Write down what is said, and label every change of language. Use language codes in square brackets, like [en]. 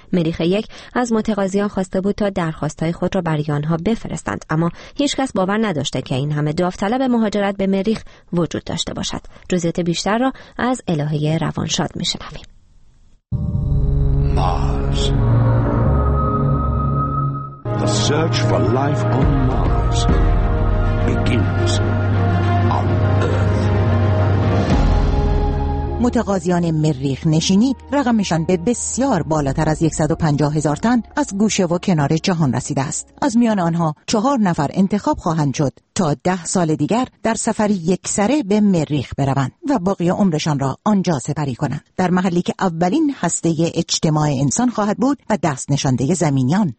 [fa] مریخ 1 از متقاضیان خواسته بود تا درخواست‌های خود را برای آنها بفرستند، اما هیچ کس باور نداشته که این همه داوطلب مهاجرت به مریخ وجود داشته باشد. جزئیات بیشتر را از الهه روانشاد می‌شنویم. مارس. [en] The search for life on Mars begins on Earth. [fa] متقاضیان مریخ نشینی رقمشان به بسیار بالاتر از 150 هزار تن از گوشه و کنار جهان رسیده است. از میان آنها 4 نفر انتخاب خواهند شد تا 10 سال دیگر در سفری یکسره به مریخ بروند و باقی عمرشان را آنجا سپری کنند، در محلی که اولین هسته اجتماع انسان خواهد بود و دست نشانده زمینیان.